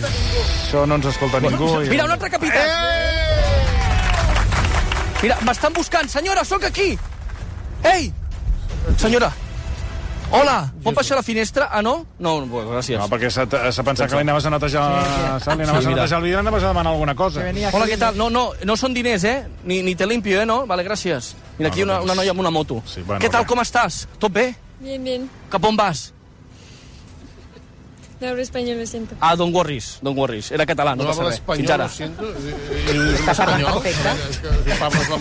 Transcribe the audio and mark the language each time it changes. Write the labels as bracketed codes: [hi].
[ca] Això no ens escolta ningú. Mira, un altre capità! Mira, m'estan buscant. Senyora, sóc aquí! Ei! Senyora! Hola! Pot baixar la finestra? Ah, no? No, gràcies. No, perquè s'ha pensat que li anaves a netejar... Li anaves a netejar el vidre, anaves a demanar alguna cosa. Hola, què tal? No són diners, eh? [es] Ni te limpio, eh? [ca] No? Vale, gràcies. Mira, aquí una noia amb una moto. Sí, bueno, què tal, com estàs? Tot bé? [es] Bien. [ca] Cap on vas? [es] No español, lo siento. [ca] Ah, [en] don't worries. [ca] Era català, no passa res. Fins ara. Està parlant perfecte.